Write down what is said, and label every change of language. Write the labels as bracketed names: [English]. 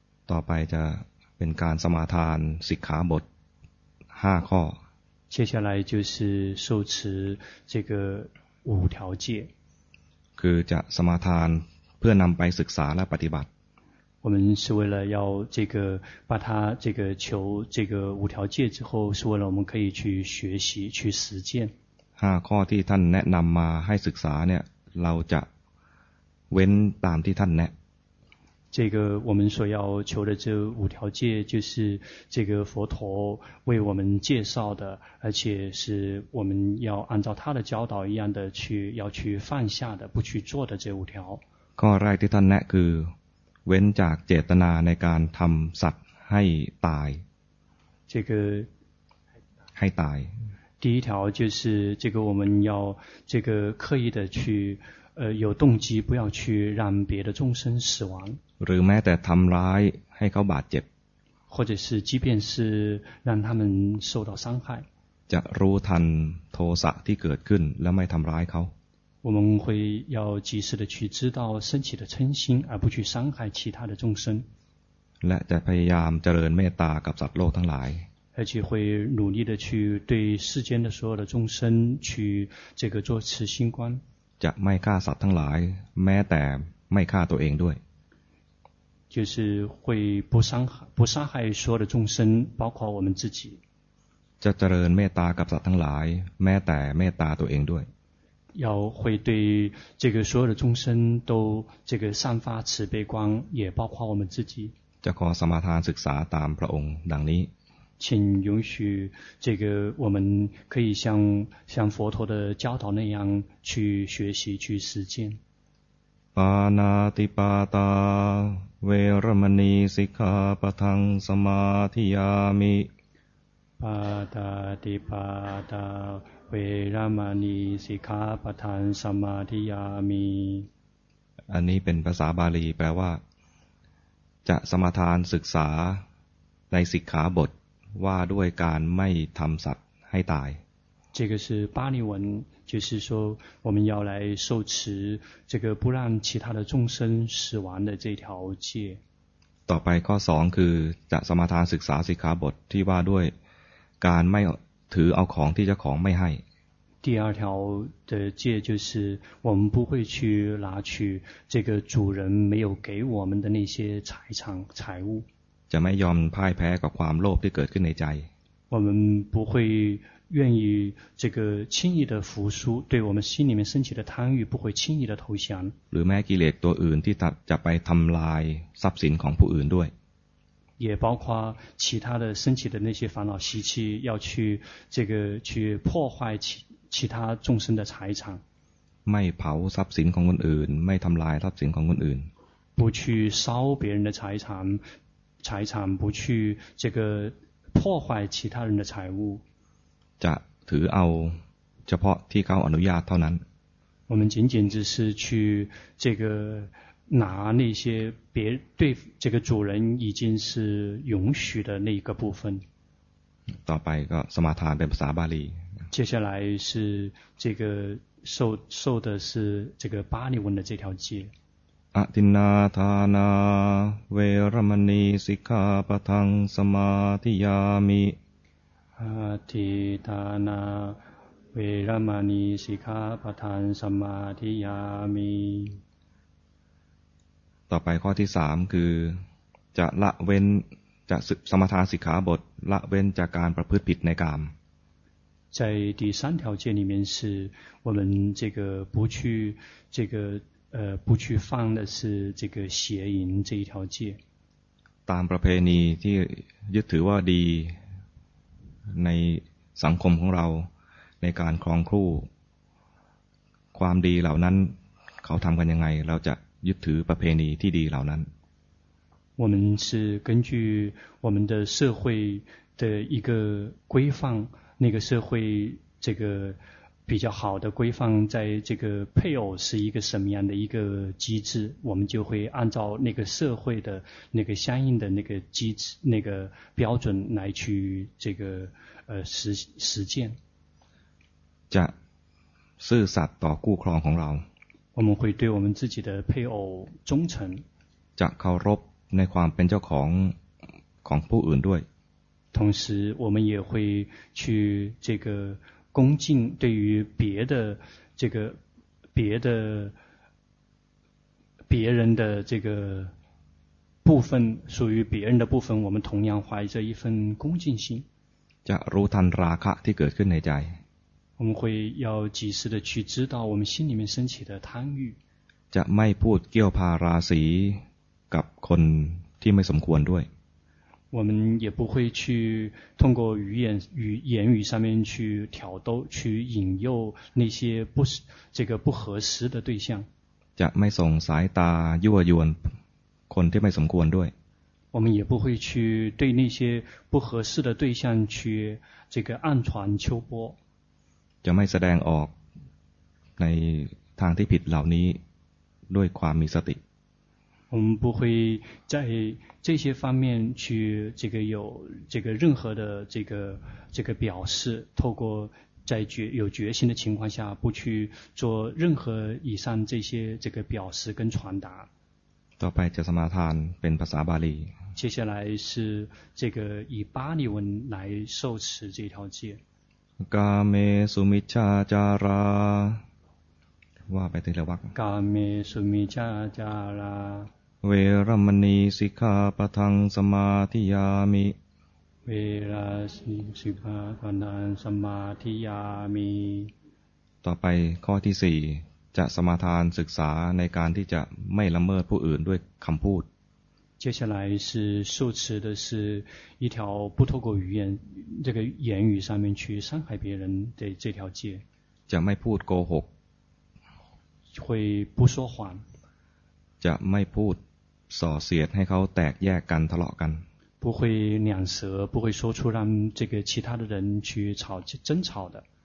[Thai] ต่อไปจะเป็นการสมาทานสิกขาบท5ข้อ [Chinese] 接下来就是受持这个五条戒 [Thai] คือจะสมาทานเพื่อนำไปศึกษาและปฏิบัติ [Chinese] 我们是为了要这个把它这个求这个五条戒之后是为了我们可以去学习去实践 [Thai] 5ข้อที่ท่านแนะนำมาให้ศึกษาเนี่ยเราจะเว้นตามที่ท่านแนะ [Chinese] 这个我们所要求的这五条戒就是这个佛陀为我们介绍的而且是我们要按照他的教导一样的去要去放下的不去做的这五条 [Thai] ข้อแรกที่ท่านแนะคือเว้นจากเจตนาในการทำสัตว์ให้ตาย [Chinese] 这个 [Thai] ให้ตาย [Chinese] 第一条就是这个我们要这个刻意的去有动机不要去让别的众生死亡 [Thai] หรือแม้แต่ทำร้ายให้เขาบาดเจ็บ [Chinese] 或者是即便是让他们受到伤害 [Thai] จะรู้ทันโทสะที่เกิดขึ้นและไม่ทำร้ายเขา [Chinese] 我们会要及时的去知道升起的嗔心，而不去伤害其他的众生。 [Thai] และจะพยายามเจริญเมตตากับสัตว์โลกทั้งหลาย。 [Chinese] 而且会努力的去对世间的所有的众生去这个做慈心观。 [Thai] จะไม่ฆ่าสัตว์ทั้งหลายแม้แต่ไม่ฆ่าตัวเองด้วย。 [Chinese] 就是会不伤害所有的众生，包括我们自己。 [Thai] จะเจริญเมตตากับสัตว์ทั้งหลายแม้แต่เมตตาตัวเองด้วย。 [Chinese] 要会对这个所有的众生都这个散发慈悲光，也包括我们自己。 [Thai] จะขอสมาทานศึกษาตามพระองค์ดังนี้。 [Chinese] 请允许这个我们可以像佛陀的教导那样去学习去实践。 [Pali] ปานาติปาตาเวรมณีสิกขาปะทังสมาธิยามิ ปาตาติปาตาเวรมณีสิกขาปะทังสมาธิยามิ [Thai] อันนี้เป็นภาษาบาลีแปลว่าจะสมาทานศึกษาในสิกขาบทว่าด้วยการไม่ทำสัตว์ให้ตาย [Chinese] 这个是巴利文就是说我们要来受持这个不让其他的众生死亡的这条戒 [Thai] ต่อไปข้อ2คือจะสมาทานศึกษาสิกขาบทที่ว่าด้วยการไม่ถือเอาของที่เจ้าของไม่ให้ [Chinese] 第二条的戒就是我们不会去拿取这个主人没有给我们的那些财产财物 [Thai] จะไม่ยอมพ่ายแพ้กับความโลภที่เกิดขึ้นในใจ [Chinese] 我们不会愿意这个轻易的服输，对我们心里面升起的贪欲不会轻易的投降。 [Thai] หรือแม้กิเลสตัวอื่นที่จะไปทำลายทรัพย์สินของผู้อื่นด้วย。 [Chinese] 也包括其他的升起的那些烦恼习气，要去这个去破坏其他众生的财产。 [Thai] ไม่เผาทรัพย์สินของคนอื่นไม่ทำลายทรัพย์สินของคนอื่น。 [Chinese] 不去烧别人的财产不去这个破坏其他人的财物。 [Thai] จะถือเอาเฉพาะที่เขาอนุญาตเท่านั้น [Chinese] 我们仅仅只是去这个拿那些别对这个主人已经是允许的那一个部分 [Thai] ต่อไปก็สมาทานเป็นภาษาบาลี [Chinese] 接下来是这个受的是这个巴利文的这条戒 [Pali] อตินาทานาเวรมณีสิกขาปะทังสมาธิยามิ ติทานาเวรมณีสิกขาปะทังสมาธิยามิ [Thai] ต่อไปข้อที่3คือจะละเว้นจะสมาทานสิกขาบทละเว้นจากการประพฤติผิดในกาม [Chinese] 在第三条戒里面是我们这个不去这个不去犯的是这个邪淫这一条戒 [Thai] ตามประเพณีที่ยึดถือว่าดีในสังคมของเราในการครองคู่ความดีเหล่านั้นเขาทำกันยังไงเราจะยึดถือประเพณีที่ดีเหล่านั้น [Chinese] 我们是根据我们的社会的一个规范那个社会这个比较好的规范在这个配偶是一个什么样的一个机制我们就会按照那个社会的那个相应的那个机制那个标准来去这个实践 [Thai] จะซื่อสัตย์ต่อคู่ครองของเรา [Chinese] 我们会对我们自己的配偶忠诚 [Thai] จะเคารพในความเป็นเจ้าของของผู้อื่นด้วย [Chinese] 同时我们也会去这个恭敬对于别的这个别人的这个部分属于别人的部分我们同样怀着一份恭敬心 [Thai] จะรู้ทันราคะที่เกิดขึ้นในใจ [Chinese] 我们会要及时的去知道我们心里面升起的贪欲 [Thai] จะไม่พูดเกี่ยวพาราศีกับคนที่ไม่สมควรด้วย [Chinese] 我们也不会去通过言语上面去挑逗去引诱那些不合适的对象 [Thai] จะไม่ส่งสายตายั่วยวนคนที่ไม่สมควรด้วย [Chinese] 我们也不会去对那些不合适的对象去这个暗传秋波 [Thai] จะไม่แสดงออกในทางที่ผิดเหล่านี้ด้วยความมีสติ [Chinese] 我们不会在这些方面去这个有这个任何的这个表示透过在决有决心的情况下不去做任何以上这些这个表示跟传达。 [Thai] ต่อไปจะสมาทานเป็นภาษาบาลี。 [Chinese] 接下来是这个以巴利文来受持这条戒。 [Pali] กามิสุมิจฉาจารา [Thai] ว่าไปทีละวรรค [Pali] กามิสุมิจฉาจารา เวรมณีสิกขาปะทังสมาธิยามิ เวราสิสิกขาปะทังสมาธิยามิ [Thai] ต่อไปข้อที่4จะสมาทานศึกษาในการที่จะไม่ละเมิดผู้อื่นด้วยคำพูด [Chinese] 接下来是受持的是一条不透过语言这个言语上面去伤害别人的这条戒 [Thai] จะไม่พูดโกหก [Chinese] 会不说谎 [Thai] จะไม่พูดส่อเสียดให้เขาแตกแยกกันทะเลาะกัน [Chinese] 不会两舌不会说出让这个其他的人去吵争吵的